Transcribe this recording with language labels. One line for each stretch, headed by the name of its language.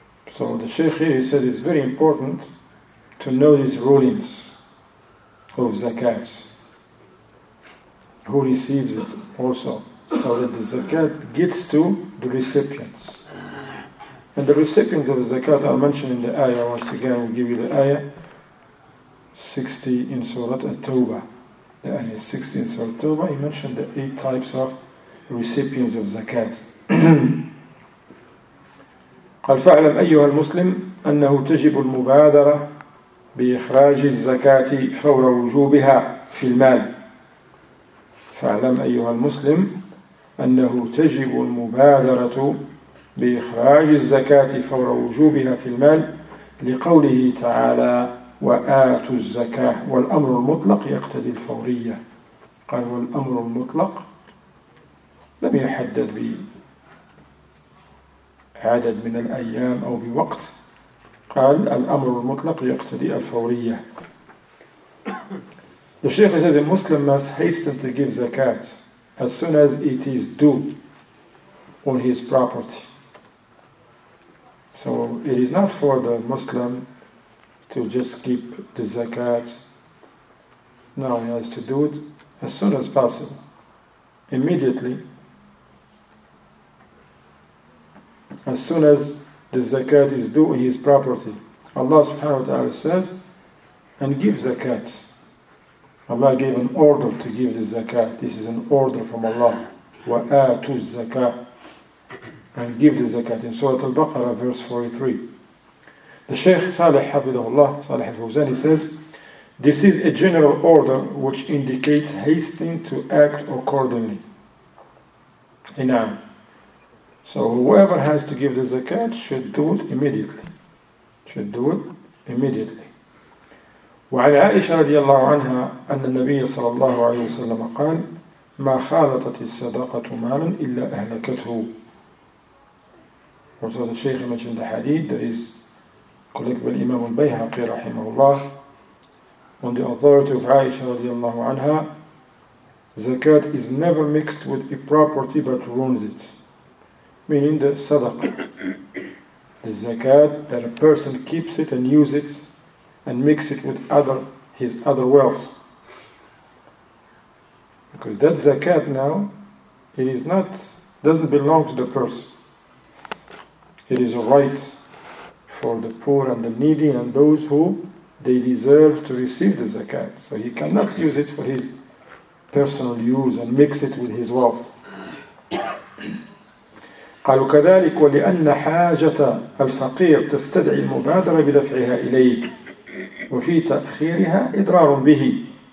English: So the Shaykh here, he says it's very important to know these rulings of zakat, who receives it also, so that the zakat gets to the recipients. And the recipients of the zakat are mentioned in the ayah. Once again, we'll give you the ayah 60 in Surat At-Tawbah. The ayah 60 in Surat At-Tawbah, he mentioned the 8 types of recipients of zakat.
Arabic: قال فاعلم أيها المسلم أنه تجب المبادرة بإخراج الزكاة فور وجوبها في المال. فاعلم أيها المسلم أنه تجب المبادرة بإخراج الزكاة فور وجوبها في المال لقوله تعالى وآتوا الزكاة والأمر المطلق يقتضي الفورية. قال والأمر المطلق لم يحدد بعدد من الأيام أو بوقت, قال الأمر المطلق يقتضي الفورية.
English: The Shaykh says a Muslim must hasten to give zakat as soon as it is due on his property. So it is not for the Muslim to just keep the zakat. No, he has to do it as soon as possible, immediately. As soon as the zakat is due on his property. Allah subhanahu wa ta'ala says, and give zakat. Allah gave an order to give the zakat. This is an order from Allah.
Arabic: وَآتُ الزَّكَاةِ
English: and give the zakat. In Surah Al-Baqarah, verse 43. The Shaykh Salih Hafidahullah, Salih Al-Fawzan, he says, this is a general order which indicates hasting to act accordingly. Inam. So whoever has to give the zakat should do it immediately. Should do it immediately.
Arabic: وعن عائشة رضي الله عنها أن النبي صلى الله عليه وسلم قال ما خالطت الصدقة مالا إلا أهلكته.
English: Also the Shaykh mentioned the hadith, there is
Arabic: كوليك بالإمام البيهقي رحمه الله
English: on the authority of Aisha radiallahu anha, zakat is never mixed with a property but ruins it. Meaning the sadaqah. The zakat that a person keeps it and uses it and mix it with other his other wealth. Because that zakat now, it is not, doesn't belong to the person. It is a right for the poor and the needy and those who they deserve to receive the zakat. So he cannot use it for his personal use and mix it with his wealth.
Arabic: قالوا كذلك ولأن حاجة الفقير تستدعي المبادرة بدفعها إليك وفي تأخيرها إضرار به.